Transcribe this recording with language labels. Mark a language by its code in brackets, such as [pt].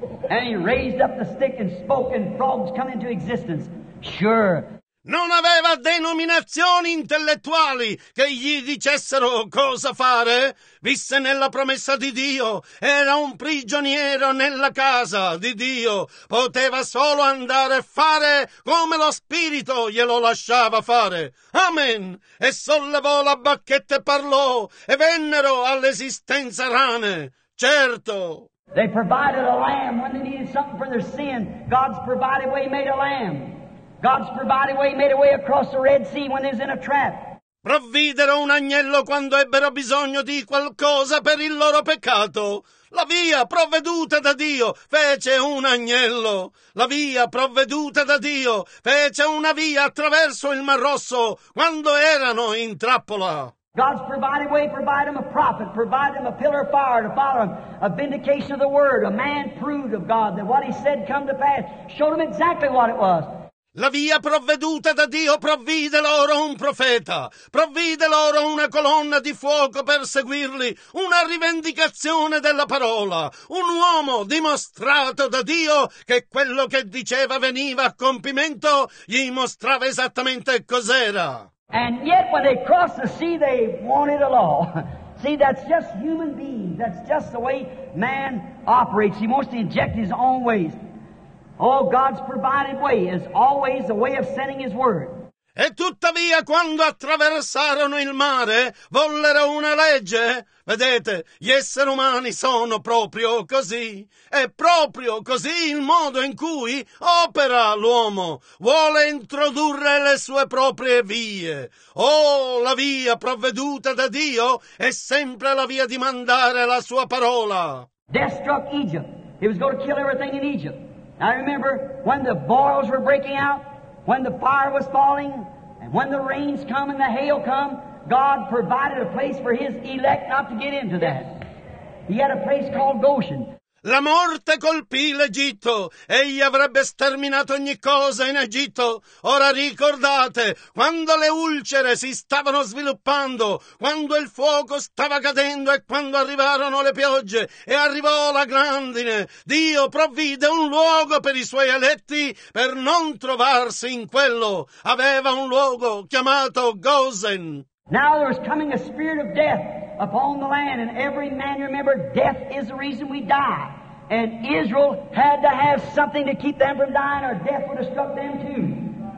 [en] And he raised up the stick and spoke, and frogs come into existence. Sure. [it] non aveva denominazioni intellettuali che gli dicessero cosa fare. Visse nella promessa di Dio, era un prigioniero nella casa di Dio, poteva solo andare a fare come lo Spirito glielo lasciava fare. Amen! E sollevò la bacchetta e parlò, e vennero all'esistenza rane. Certo! [en] They provided a lamb when they needed something for their sin. God's provided way, made a lamb. God's provided way, made a way across the Red Sea when they was in a trap. [it] Provvidero un agnello quando ebbero bisogno di qualcosa per il loro peccato. La via provveduta da Dio fece un agnello. La via provveduta da Dio fece una via attraverso il Mar Rosso quando erano in trappola. [en] God's provided way, provide them a prophet, provide them a pillar of fire to follow them, a vindication of the word, a man proved of God that what he said come to pass, showed them exactly what it was. [it] La via provveduta da Dio provvide loro un profeta, provvide loro una colonna di fuoco per seguirli, una rivendicazione della parola, un uomo dimostrato da Dio che quello che diceva veniva a compimento, gli mostrava esattamente cos'era. [en] And yet when they crossed the sea, they wanted a law. See, that's just human beings. That's just the way man operates. He wants to inject his own ways. Oh, God's provided way is always the way of sending his word. [it] E tuttavia, quando attraversarono il mare, vollero una legge. Vedete, gli esseri umani sono proprio così. È proprio così il modo in cui opera l'uomo. Vuole introdurre le sue proprie vie. Oh, la via provveduta da Dio è sempre la via di mandare la sua parola. [en] Death struck Egypt. He was going to kill everything in Egypt. I remember when the boils were breaking out, when the fire was falling, and when the rains come and the hail come, God provided a place for his elect not to get into that. He had a place called Goshen. [it] La morte colpì l'Egitto. Egli avrebbe sterminato ogni cosa in Egitto. Ora ricordate, quando le ulcere si stavano sviluppando, quando il fuoco stava cadendo e quando arrivarono le piogge e arrivò la grandine, Dio provvide un luogo per i suoi eletti per non trovarsi in quello. Aveva un luogo chiamato Gosen. [en] Now there was coming a spirit of death upon the land, and every man, remember, death is the reason we die. And Israel had to have something to keep them from dying, or death would have struck them too.